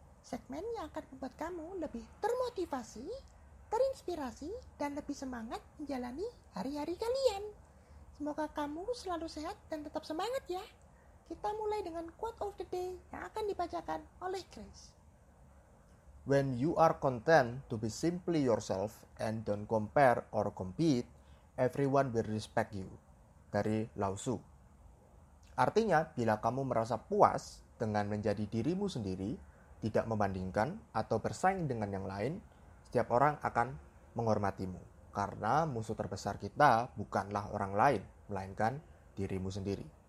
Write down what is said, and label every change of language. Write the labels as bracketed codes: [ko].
[id] Segmen yang akan membuat kamu lebih termotivasi, terinspirasi, dan lebih semangat menjalani hari-hari kalian. Semoga kamu selalu sehat dan tetap semangat ya. Kita mulai dengan [en] quote of the day [id] yang akan dibacakan oleh Chris. [en] When you are content to be simply yourself and don't compare or compete, everyone will respect you. [id] Dari Lao Tzu. Artinya, bila kamu merasa puas dengan menjadi dirimu sendiri, tidak membandingkan atau bersaing dengan yang lain, setiap orang akan menghormatimu. Karena musuh terbesar kita bukanlah orang lain, melainkan dirimu sendiri.